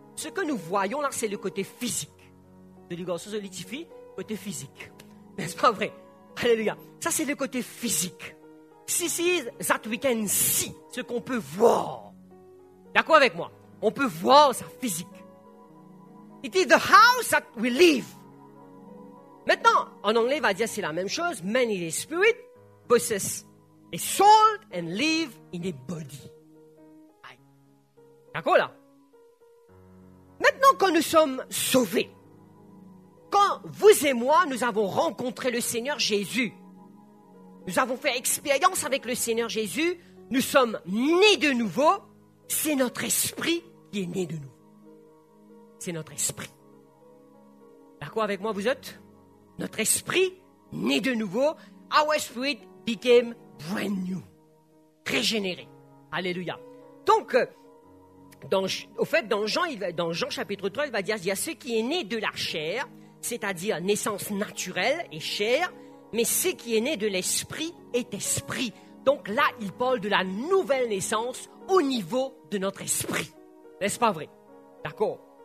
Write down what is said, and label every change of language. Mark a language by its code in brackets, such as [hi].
[fr] Ce que nous voyons là, c'est le côté physique. De l'égard, ça se litifie, côté physique. N'est-ce pas vrai? Alléluia. Ça c'est le côté physique. [en] This is that we can see, [fr] ce qu'on peut voir. D'accord avec moi? On peut voir sa physique. [en] It is the house that we live. [fr] Maintenant, en anglais, va dire c'est la même chose. [en] Man is a spirit, possess a soul and live in a body. [fr] D'accord là? Maintenant, quand nous sommes sauvés, quand vous et moi, nous avons rencontré le Seigneur Jésus, nous avons fait expérience avec le Seigneur Jésus, nous sommes nés de nouveau, c'est notre esprit qui est né de nouveau. C'est notre esprit. D'accord avec moi, vous êtes? Notre esprit, né de nouveau, [en] our spirit became brand new. [fr] Régénéré. Alléluia. Donc, dans Jean chapitre 3, il va dire, il y a ce qui est né de la chair, c'est-à-dire naissance naturelle et chair, mais ce qui est né de l'esprit est esprit. Donc là, il parle de la nouvelle naissance au niveau de notre esprit. N'est-ce pas vrai? D'accord?